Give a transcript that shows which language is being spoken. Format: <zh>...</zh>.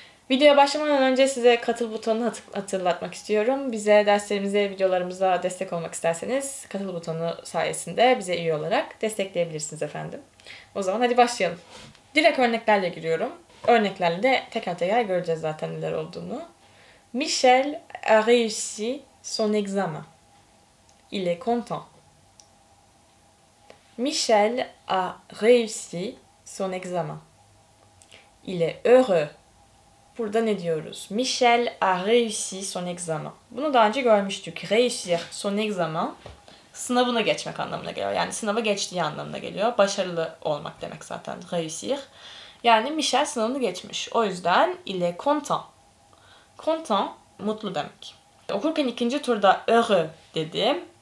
<tr>Videoya başlamadan önce size katıl butonunu hatırlatmak istiyorum. Bize, derslerimize, videolarımıza destek olmak isterseniz katıl butonu sayesinde bize üye olarak destekleyebilirsiniz efendim. O zaman hadi başlayalım. Direkt örneklerle giriyorum. Örneklerle de teker teker göreceğiz zaten neler olduğunu.</tr> <fr>Michel a réussi son examen. Il est content. Michel a réussi son examen. Il est heureux.</fr> <tr>Burada ne diyoruz?</tr> <fr>Michel a réussi son examen.</fr> <tr>Bunu daha önce görmüştük.</tr> <fr>Réussir son examen.</fr> <tr>Sınavına geçmek anlamına geliyor. Yani sınava geçtiği anlamına geliyor. Başarılı olmak demek zaten. Réussir. Yani Michel sınavını geçmiş. O yüzden</tr> <fr>il est content.</fr> <tr>Content, mutlu demek. Okurken ikinci turda heureux dedim.</tr>